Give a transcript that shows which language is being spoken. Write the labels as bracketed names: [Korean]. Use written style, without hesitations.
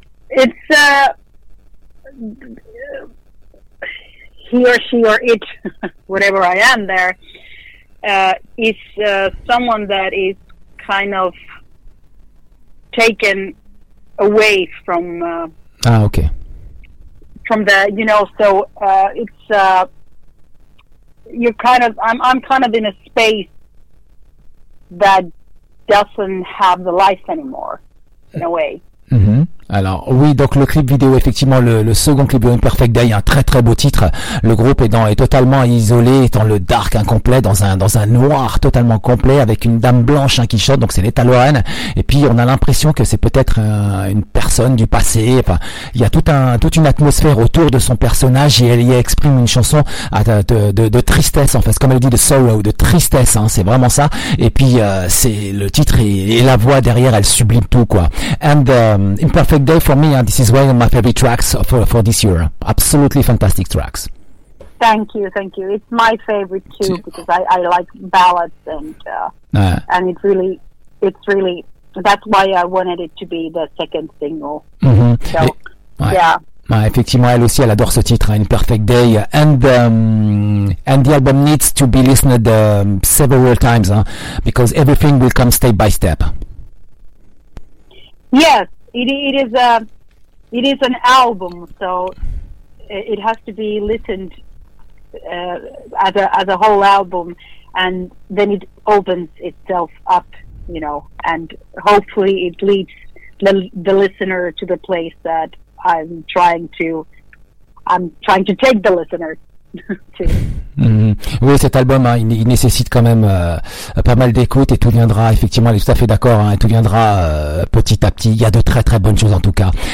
[English] It's he or she or it, whatever I am there, is someone that is kind of taken away from. Okay. From the, you know, so it's you're kind of, I'm kind of in a space that doesn't have the life anymore, in a way. Mm-hmm. [French] Alors oui, donc le clip vidéo, effectivement, le second clip vidéo, Imperfect Day, un très très beau titre. Le groupe est totalement isolé, est dans le dark incomplet, dans un noir totalement complet, avec une dame blanche qui chante, donc c'est l'Etta Lorraine. Et puis on a l'impression que c'est peut-être une personne du passé. Enfin, il y a toute une atmosphère autour de son personnage et elle y exprime une chanson de tristesse, en fait, comme elle dit, de sorrow, de tristesse, hein, c'est vraiment ça. Et puis c'est le titre et la voix derrière, elle sublime tout, quoi. [English] And Perfect Day for me, and this is one of my favorite tracks for this year. Absolutely fantastic tracks. Thank you. It's my favorite too, because I like ballads and it's really that's why I wanted it to be the second single. Mm-hmm. Yeah, [French] effectivement, elle aussi, elle adore ce titre, hein, [English] Imperfect Day, and the album needs to be listened several times, hein, because everything will come step by step. Yes. It is an album, so it has to be listened as a whole album, and then it opens itself up, you know, and hopefully it leads the listener to the place that I'm trying to take the listener to. Mmh. [French] Oui, cet album, hein, il nécessite quand même pas mal d'écoute et tout viendra, effectivement, elle est tout à fait d'accord, hein, tout viendra petit à petit. Il y a de très très bonnes choses en tout cas.